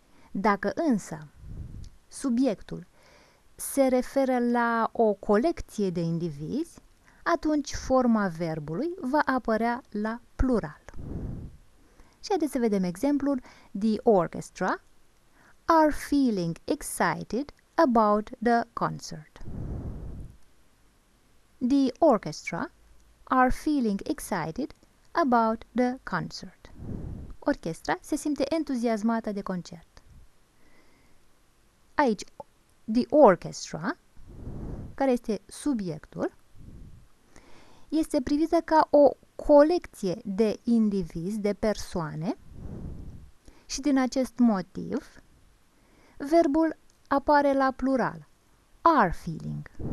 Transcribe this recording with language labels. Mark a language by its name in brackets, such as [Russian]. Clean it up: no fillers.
[Romanian] Dacă însă subiectul se referă la o colecție de indivizi, atunci forma verbului va apărea la plural. Și haideți să vedem exemplul: [English] The orchestra are feeling excited about the concert. The orchestra are feeling excited about the concert. [Romanian] Orchestra se simte entuziasmată de concert. Aici, the orchestra, care este subiectul, este privită ca o colecție de indivizi, de persoane, și din acest motiv, verbul apare la plural, are feeling.